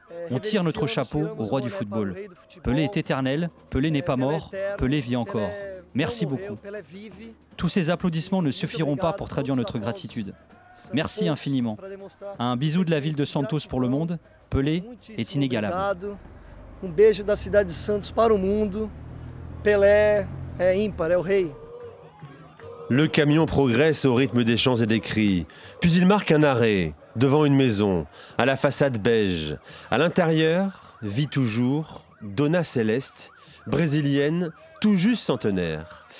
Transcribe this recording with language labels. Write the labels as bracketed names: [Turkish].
[French] On tire notre chapeau au roi du football. Pelé est éternel, Pelé n'est pas mort, Pelé vit encore. Merci beaucoup. Tous ces applaudissements ne suffiront pas pour traduire notre gratitude. Merci infiniment. Un bisou de la ville de Santos pour le monde. Pelé est inégalable. [Portuguese] Un beijo da cidade de Santos para o mundo. Pelé é ímpar, é o rei. [French] Le camion progresse au rythme des chants et des cris. Puis il marque un arrêt devant une maison, à la façade beige. À l'intérieur vit toujours Dona Celeste, brésilienne, tout juste centenaire.